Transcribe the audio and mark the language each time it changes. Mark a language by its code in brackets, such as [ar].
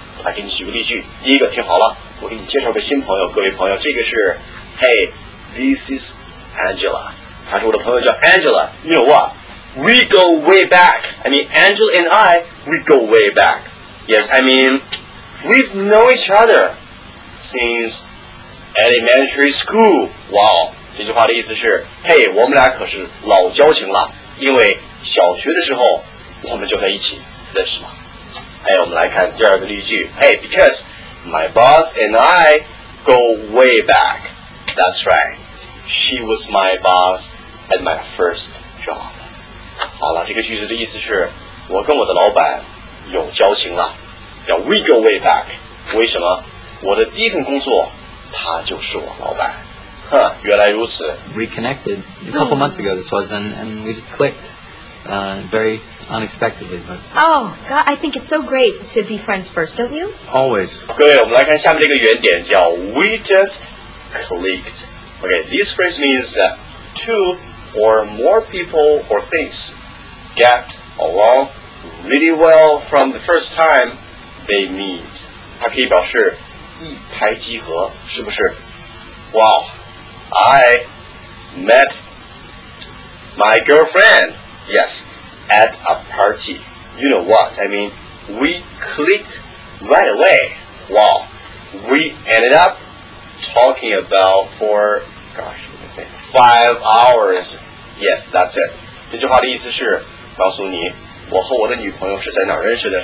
[zh] 我来给你举个例句，第一个听好了，我给你介绍个新朋友，各位朋友，这个是 [en] Hey, this is Angela， [zh] 她是我的朋友叫 [en] Angela， you know what, we go way back， I mean Angela and I, we go way back， yes, I mean we've known each other sinceElementary school. Wow. [zh] 这句话的意思是，嘿，我们俩可是老交情了，因为小学的时候我们就在一起认识了。我们来看第二个例句。 [en] Hey, because my boss and I go way back. That's right. She was my boss at my first job. [zh] 好了，这个句子的意思是，我跟我的老板有交情了。 [en] Yeah, we go way back. [zh] 为什么？我的第一份工作他就是我老板，哼，原来如此。 [en] Reconnected a couple months ago, this was, and we just clicked, very unexpectedly. But... Oh, God, I think it's so great to be friends first, don't you? Always. [zh] 各位，我们来看下面这个原点，叫 [en] we just clicked. Okay, this phrase means that two or more people or things get along really well from the first time they meet. [zh] 它可以表示。一拍即合，是不是？ [en] Wow, I met my girlfriend, yes, at a party. You know what? I mean, we clicked right away. Wow, we ended up talking about for, gosh, 5 hours. Yes, that's it. [zh] 这句话的意思是告诉你，我和我的女朋友是在哪儿认识的？